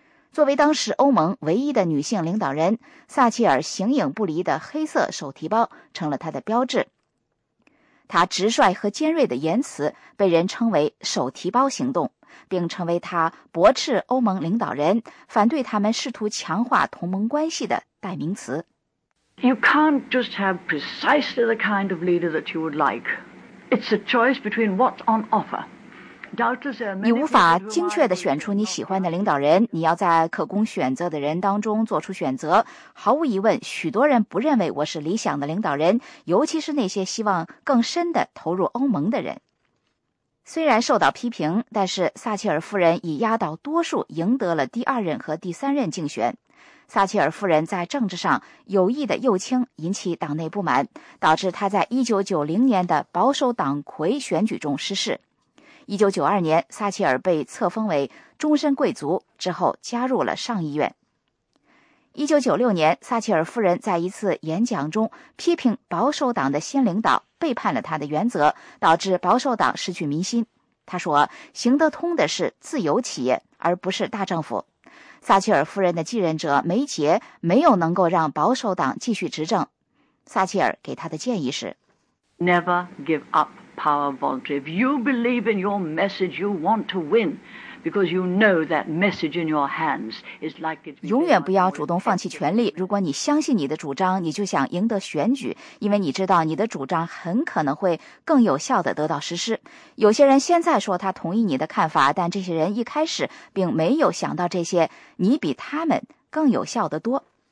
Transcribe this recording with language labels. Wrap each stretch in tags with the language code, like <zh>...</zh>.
<zh>作为当时欧盟唯一的女性领导人，撒切尔形影不离的黑色手提包成了她的标志。她直率和尖锐的言辞被人称为手提包行动，并成为他驳斥欧盟领导人反对他们试图强化同盟关系的代名词。</zh> <en>You can't just have precisely the kind of leader that you would like. It's a choice between what's on offer.</en> <zh>你无法精确地选出你喜欢的领导人，你要在可供选择的人当中做出选择。毫无疑问，许多人不认为我是理想的领导人，尤其是那些希望更深地投入欧盟的人。虽然受到批评，但是撒切尔夫人以压倒多数赢得了第二任和第三任竞选。撒切尔夫人在政治上有意的右倾引起党内不满，导致她在1990年的保守党魁选举中失势。 1992年，撒切尔被册封为终身贵族，之后加入了上议院。 1996年，撒切尔夫人在一次演讲中批评保守党的新领导背叛了他的原则，导致保守党失去民心。他说，行得通的是自由企业，而不是大政府。撒切尔夫人的继任者梅杰没有能够让保守党继续执政。撒切尔给他的建议是</zh> <en>Never give up power voluntarily. If you believe in your message, you want to win. Because you know that message in your hands is like it's.</en> <zh>永远不要主动放弃权力。如果你相信你的主张，你就想赢得选举，因为你知道你的主张很可能会更有效地得到实施。有些人现在说他同意你的看法，但这些人一开始并没有想到这些，你比他们更有效得多。</zh>